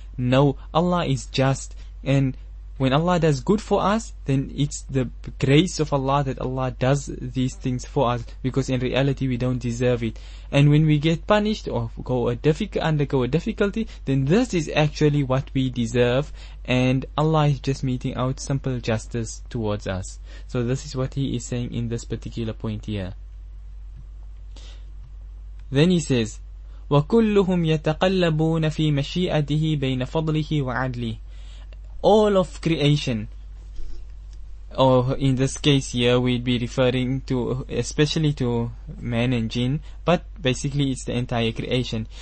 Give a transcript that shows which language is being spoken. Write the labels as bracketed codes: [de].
[en] No, Allah is just. And when Allah does good for us, then it's the grace of Allah that Allah does these things for us, because in reality we don't deserve it. And when we get punished or undergo a difficulty, then this is actually what we deserve, and Allah is just meeting out simple justice towards us. So this is what he is saying in this particular point here. Then he says, [ar] وَكُلُّهُمْ يَتَقَلَّبُونَ فِي مَشِيئَتِهِ بَيْنَ فَضْلِهِ وَعَدْلِهِ. [en] All of creation, or in this case here we'd be referring to especially to man and jinn, but basically it's the entire creation.